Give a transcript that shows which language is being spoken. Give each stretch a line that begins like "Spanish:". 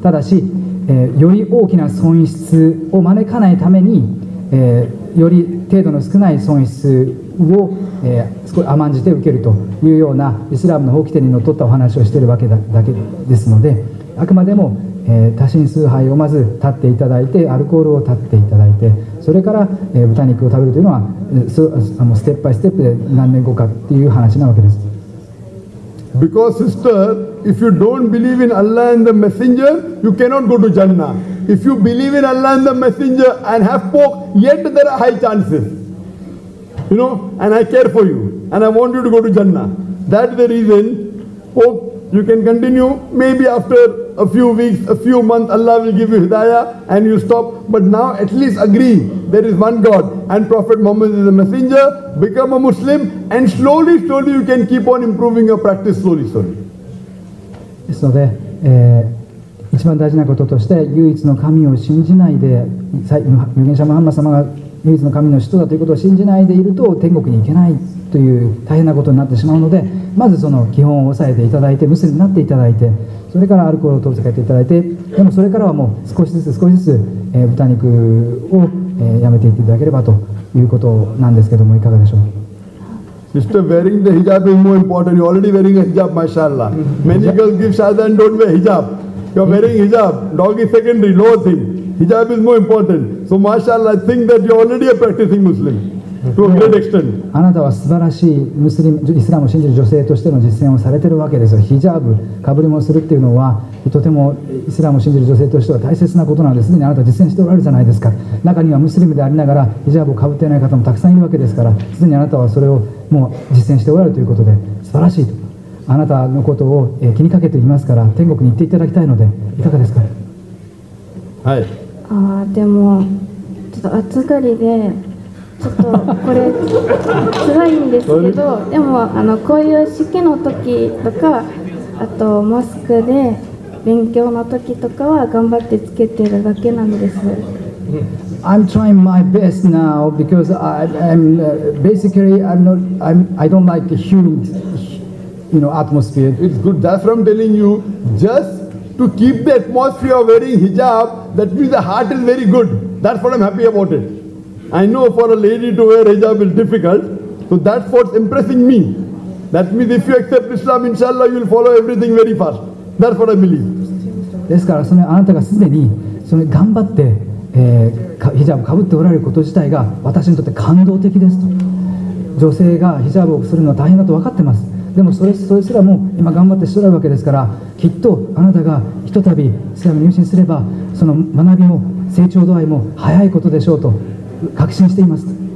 Japanese: ただし、より大きな損失を招かないために、より程度の少ない損失を、甘んじて受けるというようなイスラムの法規定にのっとったお話をしているわけだけですので、あくまでも、多神崇拝をまず立っていただいて、アルコールを立っていただいて、それから、豚肉を食べるというのはステップバイステップで何年後かという話なわけです。
English: Because sister, if you don't believe in Allah and the messenger, you cannot go to Jannah. If you believe in Allah and the messenger and have pork, yet there are high chances. You know, and I care for you, and I want you to go to Jannah. That's the reason, pork, you can continue, maybe after a few weeks, a few months, Allah will give you hidayah, and you stop. But now at least agree, there is one God, and Prophet Muhammad is the messenger, become a Muslim, and slowly, slowly, you can keep on improving your practice, slowly, slowly. So there,
Japanese: 一番大事なこととして、唯一の神を信じないで、預言者ムハンマド様が、唯一の神の使徒だということを信じないでいると天国に行けないという大変なことになってしまうので、まずその基本を押さえていただいて、ムスリムになっていただいて、それからアルコールを遠ざけていただいて、でもそれからはもう少しずつ少しずつ、豚肉を、やめていっていただければということなんですけども、いかがでしょう。
English: Sister, wearing the hijab is more important. You're already wearing a hijab, mashallah. Many girls give shahada and don't wear hijab. You're wearing hijab. Dog is secondary, lower thing. Hijab is more important. So, mashallah, I think that you're already a practicing Muslim to a great extent.
Japanese: あなたは素晴らしいムスリム、イスラムを信じる女性としての実践をされているわけですよ。ヒジャブ、かぶりもするっていうのは、とてもイスラムを信じる女性としては大切なことなんです。すでにあなた実践しておられるじゃないですか。中にはムスリムでありながら、ヒジャブをかぶっていない方もたくさんいるわけですから、すでにあなたはそれをもう実践しておられるということで、素晴らしいと。あなたのことを気にかけていますから、天国に行っていただきたいので、いかがですか。はい。あーでもちょっと暑がりでちょっとこれ辛いんですけど、でもこういう式の時とか、あとマスクで勉強の時とかは頑張ってつけてるだけなんです。
English: I'm trying my best now because I'm basically I don't like the humid atmosphere. It's good. That's what I'm telling you, justTo keep the atmosphere of wearing hijab, that means the heart is very good. That's what I'm happy about it. I know for a lady to wear hijab is difficult, so that's what's impressing me. That means if you accept Islam, inshallah, you'll follow everything very fast. That's what I believe.
Japanese: ですから、そのあなたがすでにその頑張って、ヒジャブを被っておられること自体が私にとって感動的ですと。女性がヒジャブをするのは大変だと分かってます。でもそれすらも今頑張ってしとらるわけですから、きっとあなたがひとたびイスラムに入信すれば、その学びも成長度合いも早いことでしょうと確信しています。